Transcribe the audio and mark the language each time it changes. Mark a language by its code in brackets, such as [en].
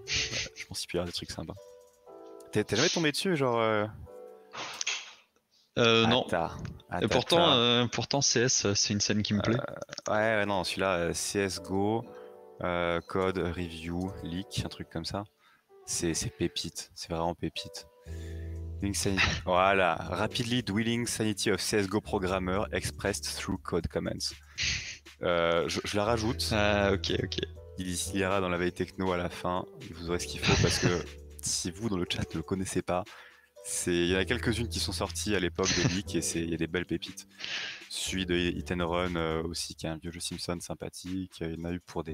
[fr] Je pense qu'il y aura des trucs sympas. T'es jamais tombé dessus, genre... Non. Attard. Et pourtant, pourtant, CS, c'est une scène qui me plaît. Ouais, non, celui-là, CSGO, code, review, leak, un truc comme ça. C'est pépite, c'est vraiment pépite. [en] Voilà, rapidly dwelling sanity of CSGO programmer expressed through code comments. [fr] Je la rajoute. Ah, ok, ok. Il y ira dans la veille techno à la fin, vous aurez ce qu'il faut parce que si vous dans le chat ne le connaissez pas, il y en a quelques-unes qui sont sorties à l'époque de leak et il y a des belles pépites. Celui de Hit and Run aussi, qui est un vieux jeu Simpson sympathique, il y en a eu pour des.